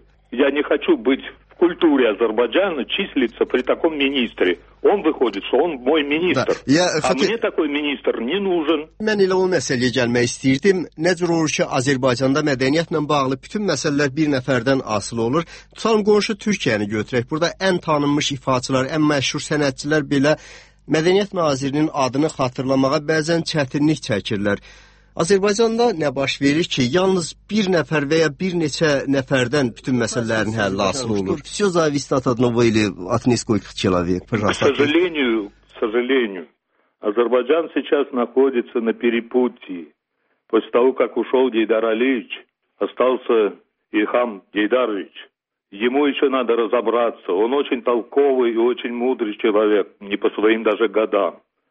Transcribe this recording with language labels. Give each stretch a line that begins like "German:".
Russian: Я не хочу быть в культуре Азербайджана, числиться при таком министре. Он выходит, что он мой министр. Мне такой министр не нужен.
Azerbaijani: Мен ilə o məsələyə gəlmək istəyirdim. Necə olur ki, Azərbaycanda mədəniyyətlə bağlı bütün məsələlər bir nəfərdən asılı olur. Tutalım, qonşu Türkiyəni götürək. Burada ən tanınmış ifaçılar, ən məşhur sənətçilər belə mədəniyyət nazirinin adını xatırlamağa bəzən çətinlik çəkirlər. Azərbaycanda nə baş verir ki, yalnız bir nəfər və ya bir neçə nəfərdən bütün məsələlərin həlli asılı olur?
Russian: Всё зависит от одного или от нескольких человек, пожалуйста. К сожалению, Азербайджан сейчас находится на перепутье. После того, как ушёл Гейдар Алиевич, остался Ильхам Гейдарович. Ему еще надо разобраться. Он очень толковый и очень мудрый человек, не по своим даже годам.